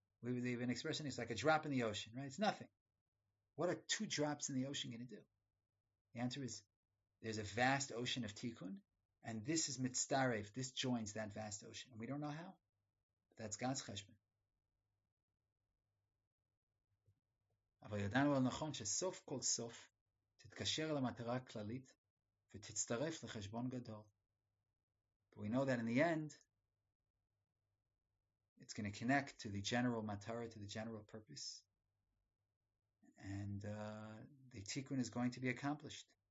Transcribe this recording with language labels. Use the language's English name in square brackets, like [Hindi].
[English] We've been expressing it's like a drop in the ocean, right? It's nothing. What are two drops in the ocean going to do? The answer is there's a vast ocean of tikkun, and this is mitzarev. This joins that vast ocean. And we don't know how, but that's God's cheshbon. [Hebrew] אבל ידענו על נכון שסוף כל סוף תתקשר למטרה הכללית ותצטרף לחשבון גדול. [English] But we know that in the end, it's going to connect to the general matara, to the general purpose. And the tikkun is going to be accomplished.